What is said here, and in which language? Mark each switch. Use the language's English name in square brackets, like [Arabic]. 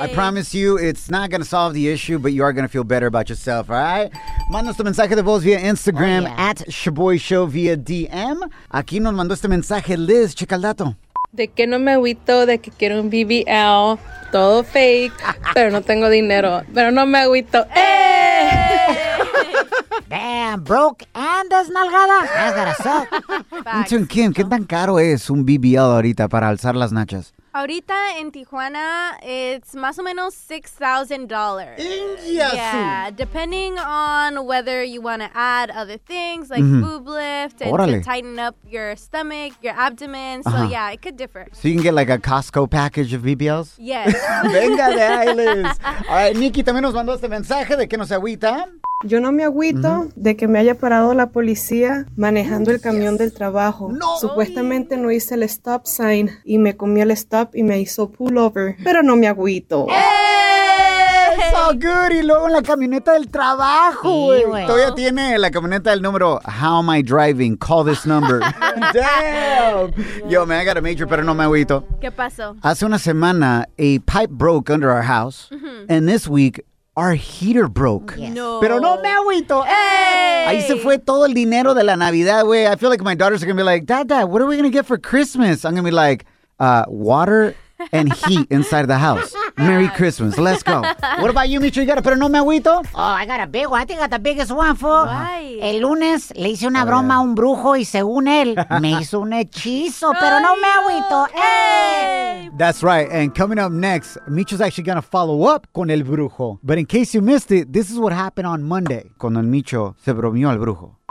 [English] I promise you, it's not going to solve the issue, but you are going to feel better about yourself, all right? [Spanish] Mándanos tu mensaje de voz via Instagram, at Shaboy Show via DM. Aquí nos mandó este mensaje Liz, checa el dato. De que no me agüito, de que quiero un BBL, todo fake, pero no tengo dinero, pero no me agüito. ¡Ey! [English] Damn, broke and desnalgada. That's gotta suck. [Spanish] Chun Kim, ¿qué tan caro es un BBL ahorita para alzar las nachas? Ahorita en Tijuana, it's más o menos $6,000. ¡Ingiazú! [English] Yeah, depending on whether you want to add other things like boob lift and [Spanish] Orale. [English] To tighten up your stomach, your abdomen. So, uh-huh, yeah, it could differ. So you can get like a Costco package of BBLs? Yes. [Spanish] ¡Venga de ahí, Liz! [English] All right, [Spanish] Nikki también nos mandó este mensaje de que no se agüita. Yo no me agüito de que me haya parado la policía manejando el camión del trabajo. No. Supuestamente no hice el stop sign y me comió el stop y me hizo pull over, pero no me agüito. ¡Hey! [English] So good. [Spanish] Y luego en la camioneta del trabajo, güey. Sí, todavía tiene la camioneta del número [English] How am I driving? Call this number. Damn. Yo, man, I got a major, [Spanish] pero no me agüito. ¿Qué pasó? [English] Hace una semana, a pipe broke under our house. Mm-hmm. And this week, our heater broke. Yes. No. [Spanish] Pero no me agüito. Hey. Ahí se fue todo el dinero de la Navidad, güey. [English] I feel like my daughters are going to be like, Dad, what are we going to get for Christmas? I'm going to be like, water and heat inside the house. Merry Christmas. Let's go. What about you, Micho? You got a [Spanish] pero no me agüito? [English] Oh, I got a big one. I think I got the biggest one, fool. Why? [Spanish] El lunes le hice una broma a un brujo y según él, me hizo un hechizo. Pero no me agüito. Hey. [English] That's right. And coming up next, Micho's actually going to follow up con el brujo. But in case you missed it, this is what happened on Monday. [Spanish] Cuando el Micho se bromeó al brujo.